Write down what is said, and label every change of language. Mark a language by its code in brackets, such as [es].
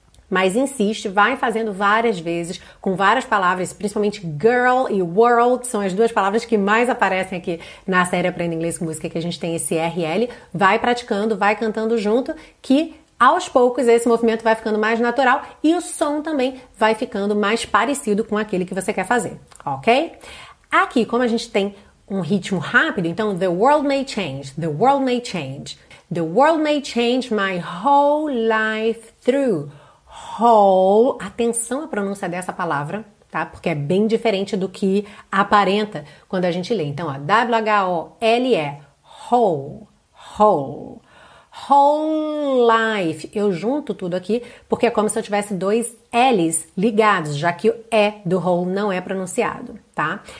[pt] Mas insiste, vai fazendo várias vezes, com várias palavras, principalmente girl e world, são as duas palavras que mais aparecem aqui na série Aprenda Inglês com Música, que a gente tem esse RL. Vai praticando, vai cantando junto, que aos poucos esse movimento vai ficando mais natural e o som também vai ficando mais parecido com aquele que você quer fazer, ok? Aqui, como a gente tem um ritmo rápido, então [en] the world may change. The world may change my whole life through. [pt] Whole, atenção à pronúncia dessa palavra, tá? Porque é bem diferente do que aparenta quando a gente lê. Então, ó, W-H-O-L-E, whole. Whole life, eu junto tudo aqui, porque é como se eu tivesse dois L's ligados, já que o E do whole não é pronunciado, tá?